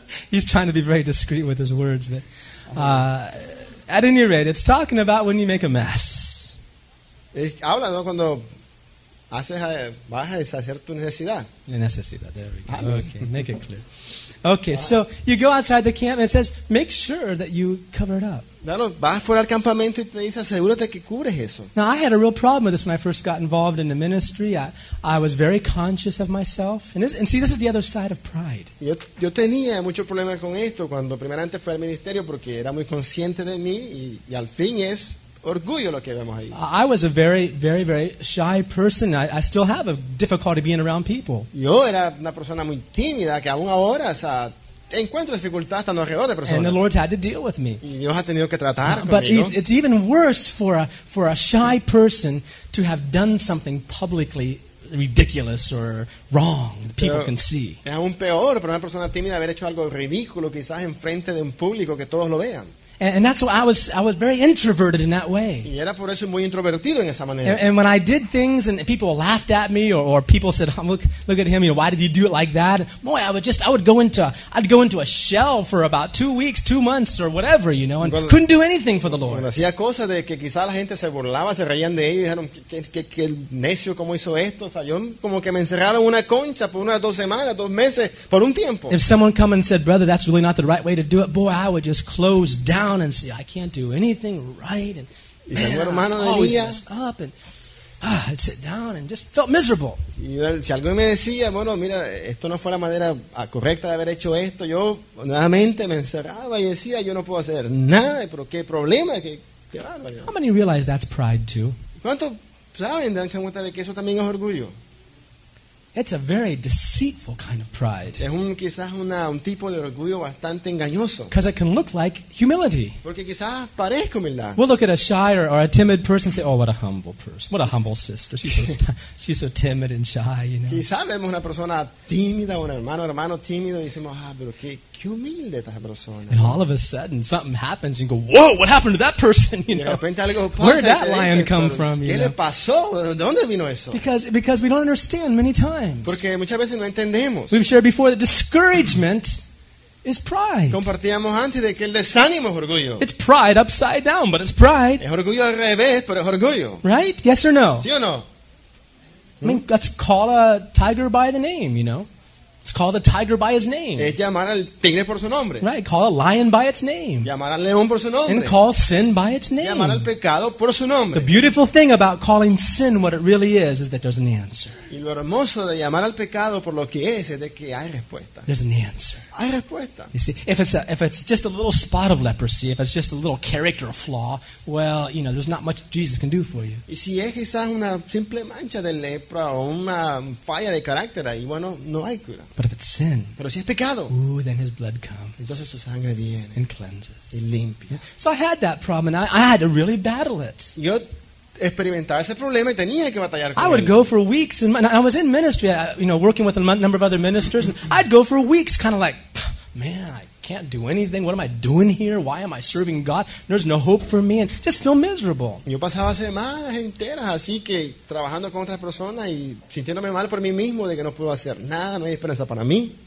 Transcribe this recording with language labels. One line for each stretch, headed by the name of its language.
English: he's trying to be very discreet with his words, but at any rate, it's talking about when you make a mess.
Spanish: Habla, ¿no? Cuando vas a deshacer tu necesidad.
English: Your necesidad, there we go. Amen. Okay, make it clear. Okay, so you go outside the camp and it says, make sure that you cover it up.
Spanish: Bueno, vas fuera al campamento y te dice, asegúrate que cubres eso.
English: Now, I had a real problem with this when I first got involved in the ministry. I was very conscious of myself. And this is the other side of pride.
Spanish: Yo tenía muchos problemas con esto cuando primeramente fui al ministerio porque era muy consciente de mí y al fin es... Orgullo lo que vemos ahí.
English: I was a very, very, very shy person. I still have a difficulty being around people.
Spanish: Yo era una persona muy tímida que aún ahora, o sea, encuentro dificultad estando alrededor de personas.
English: And the Lord had to deal with me.
Spanish: Y Dios ha tenido que tratar conmigo.
English: But it's even worse for a shy person to have done something publicly ridiculous or wrong that people can see.
Spanish: Es aún peor para una persona tímida haber hecho algo ridículo quizás en frente de un público que todos lo vean.
English: And that's why I was very introverted in that way.
Spanish: Y era por eso muy introvertido en esa manera.
English: And when I did things and people laughed at me or people said, look at him, you know, why did he do it like that? Boy, I'd go into a shell for about 2 weeks, 2 months or whatever, you know, and couldn't do anything for the Lord.
Spanish: Hacía cosas de que quizá la gente se burlaba, se reían de ellos, dijeron que necio como hizo esto. O sea, yo como que me encerraba en una concha por unas 2 semanas, 2 meses, por un tiempo.
English: If someone come and said, brother, that's really not the right way to do it, boy, I would just close down. And see, I can't do anything right, and man, I always mess up. And I'd sit down and just felt miserable.
Spanish: Y si alguien me decía, bueno, mira, esto no fue la manera correcta de haber hecho esto, yo nuevamente me encerraba y decía, yo no puedo hacer nada, pero qué problema, qué bárbaro.
English: How many realize that's pride too?
Spanish: ¿Cuántos saben, dan cuenta de que eso también es orgullo?
English: It's a very deceitful kind of pride.
Spanish: Es un quizás un tipo de orgullo bastante engañoso.
English: Because it can look like humility.
Spanish: Porque quizás parezca humildad.
English: We'll look at a shy or a timid person and say, "Oh, what a humble person! What a humble sister! She's so timid and shy." You know.
Spanish: Quizás vemos una persona tímida, un hermano tímido, y decimos, "Ah, pero qué humilde esta persona."
English: And all of a sudden, something happens, and you go, "Whoa! What happened to that person?" You know.
Spanish: De repente algo pasa.
English: Where did that lion come from?
Spanish: ¿Qué le pasó? ¿De dónde vino eso?
English: Because we don't understand many times.
Spanish: Porque muchas veces no entendemos.
English: We've shared before that discouragement is pride.
Spanish: Compartíamos antes de que el desánimo es orgullo.
English: It's pride upside down, but it's pride.
Spanish: Es orgullo al revés, pero es orgullo.
English: Right? Yes or no?
Spanish: ¿Sí o no?
English: I mean, let's call a tiger by the name, you know. Let's call the tiger by his name.
Spanish: Es llamar al tigre por su nombre.
English: Right, call a lion by its name.
Spanish: Llamar al león por su nombre.
English: And call sin by its name.
Spanish: Llamar al pecado por su nombre.
English: The beautiful thing about calling sin what it really is that there's an answer.
Spanish: Y lo hermoso de llamar al pecado por lo que es de que hay respuesta.
English: There's an answer.
Spanish: Hay respuesta.
English: You see, if it's just a little spot of leprosy, if it's just a little character flaw, well, you know, there's not much Jesus can do for you.
Spanish: Y si es quizás una simple mancha de lepra o una falla de carácter ahí, bueno, no hay cura.
English: But if it's sin,
Spanish: pero si es pecado,
English: then his blood comes.
Spanish: Entonces su sangre viene
English: and cleanses.
Spanish: Y limpia.
English: So I had that problem and I had to really battle it.
Spanish: Yo experimentaba ese problema y tenía que batallar con él.
English: I would go for weeks and I was in ministry, you know, working with a number of other ministers, and I'd go for weeks kind of like, man, I can't do anything. What am I doing here? Why am I serving God? There's no hope for me, and just feel miserable.
Spanish: Yo pasaba semanas enteras así que trabajando con otras personas y sintiéndome mal por mí mismo de que no puedo hacer nada, no hay esperanza para mí.